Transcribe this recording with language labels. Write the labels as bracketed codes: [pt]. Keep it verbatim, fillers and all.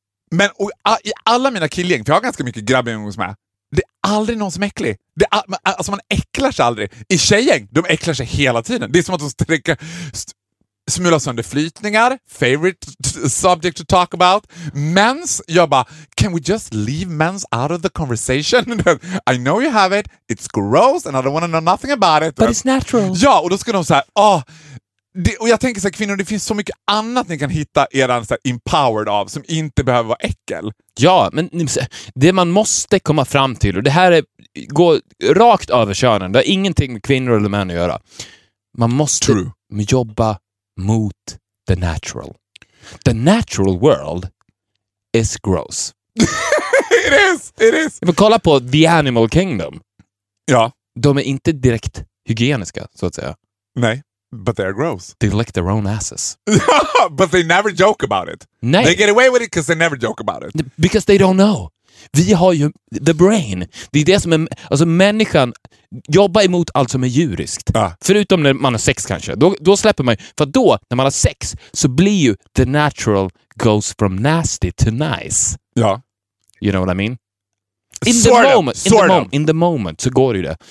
[sv] Men och, a, i alla mina killgäng, för jag har ganska mycket grabbgäng som är, det är aldrig någon som är äcklig. Det är, alltså man äcklar sig aldrig. I tjejgäng, de äcklar sig hela tiden. Det är som att de sträcker, st- smular sönder flytningar, [en] favorite t- subject to talk about. [sv] Mens, jag bara, [en] can we just leave mens out of the conversation? I know you have it, it's gross and I don't want to know nothing about it. But it's natural. [sv] Ja, och då ska de säga, åh. Oh, Det, och jag tänker så här, kvinnor, det finns så mycket annat ni kan hitta eran så här empowered av som inte behöver vara äckel. Ja, men det man måste komma fram till, och det här är, går rakt över könen, det har ingenting med kvinnor eller män att göra. Man måste [en] True. [sv] jobba mot [en] the natural. The natural world is gross. It is, it is. [sv] Men kolla på The Animal Kingdom. Ja. De är inte direkt hygieniska, så att säga. Nej. [en] But they're gross. They lick their own asses. But they never joke about it. [sv] Nej. [en] They get away with it because they never joke about it. Because they don't know. [sv] Vi har ju [en] the brain. [sv] Det är det som är... Alltså människan jobbar emot allt som är djuriskt. Ah. Förutom när man har sex kanske. Då, då släpper man ju. För då, när man har sex, så blir ju [en] the natural goes from nasty to nice. [sv] Ja. [en] You know what I mean? In the, moment, in, the mom, in the moment [sv] så går det ju det.